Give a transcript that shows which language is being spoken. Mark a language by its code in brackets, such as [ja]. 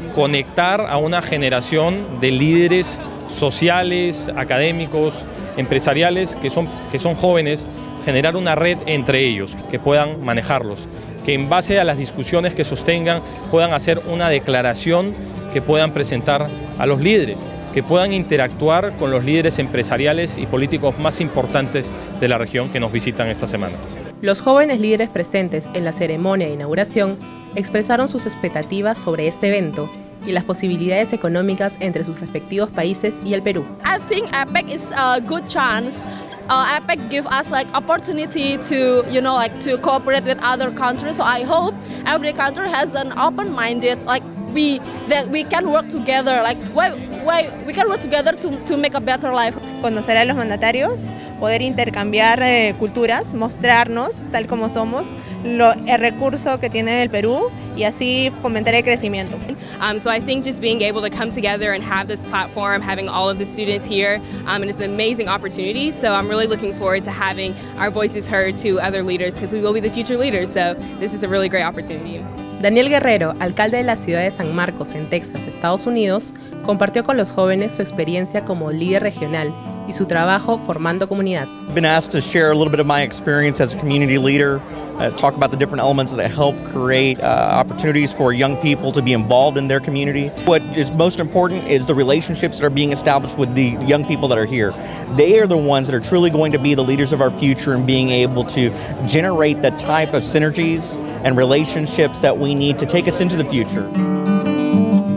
[es] Conectar a una generación de líderes sociales, académicos, empresariales, que son jóvenes, generar una red entre ellos, que puedan manejarlos, que en base a las discusiones que sostengan puedan hacer una declaración que puedan presentar a los líderes, que puedan interactuar con los líderes empresariales y políticos más importantes de la región que nos visitan esta semana. Los jóvenes líderes presentes en la ceremonia de inauguración expresaron sus expectativas sobre este evento y las posibilidades económicas entre sus respectivos países y el Perú. [en] I think APEC is a good chance. APEC give us like opportunity to, you know, like to cooperate with other countries. So I hope every country has an open-minded like we that we can work together. Like we can work together to make a better life. [es] Conocer a los mandatarios, poder intercambiar culturas, mostrarnos tal como somos, el recurso que tiene el Perú y así fomentar el crecimiento. [en] So I think just being able to come together and have this platform, having all of the students here, and it's an amazing opportunity. So I'm really looking forward to having our voices heard to other leaders because we will be the future leaders. So this is a really great opportunity. [es] Daniel Guerrero, alcalde de la ciudad de San Marcos en Texas, Estados Unidos, compartió con los jóvenes su experiencia como líder regional y su trabajo formando comunidad. [en] I've been asked to share a little bit of my experience as a community leader, talk about the different elements that help create opportunities for young people to be involved in their community. What is most important is the relationships that are being established with the young people that are here. They are the ones that are truly going to be the leaders of our future and being able to generate the type of synergies and relationships that we need to take us into the future.